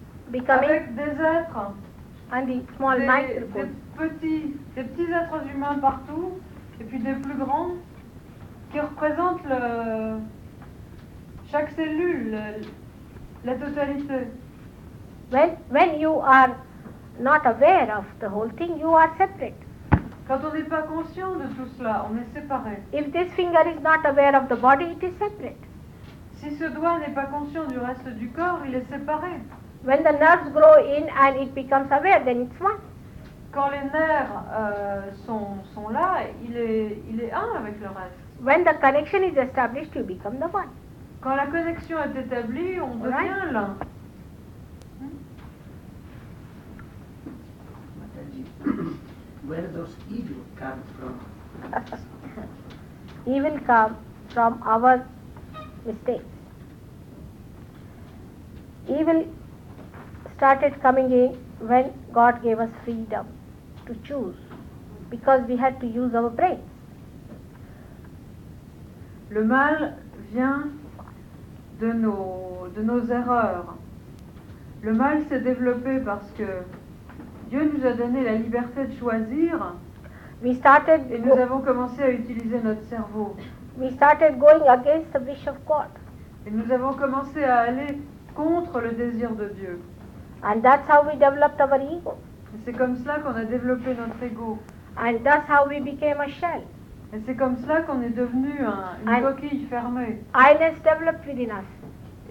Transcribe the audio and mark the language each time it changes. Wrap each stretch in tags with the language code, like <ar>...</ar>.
<en>becoming</en> <fr>avec des êtres</fr> <en>and the small microcosm.</en> <fr>Des petits êtres humains partout, et puis des plus grands, qui représentent le, chaque cellule, la totalité.</fr> <en>When you are not aware of the whole thing, you are separate.</en> <fr>Quand on n'est pas conscient de tout cela, on est séparé.</fr> <en>If this finger is not aware of the body, it is separate.</en> <fr>Si ce doigt n'est pas conscient du reste du corps, il est séparé.</fr> <en>When the nerves grow in and it becomes aware, then it's one.</en> <fr>Quand les nerfs sont là, il est un avec le reste.</fr> <en>When the connection is established, you become the one.</en> <fr>Quand la connexion est établie, on devient</fr> <en>right.</en> <fr>L'un.</fr> <en>Where does evil come from? Evil come from our mistakes. Evil started coming in when God gave us freedom to choose, because we had to use our brains.</en> <fr>Le mal vient de nos erreurs. Le mal s'est développé parce que Dieu nous a donné la liberté de choisir.</fr> <en>We started</en> <fr>et nous avons commencé à utiliser notre cerveau.</fr> <en>We started going against the wish of God.</en> <fr>Et nous avons commencé à aller contre le désir de Dieu.</fr> <en>And that's how we developed our ego.</en> <fr>Et c'est comme cela qu'on a développé notre ego.</fr> <en>And that's how we became a shell.</en> <fr>Et c'est comme cela qu'on est devenu une coquille fermée.</fr> <en>Eyeness developed within us.</en>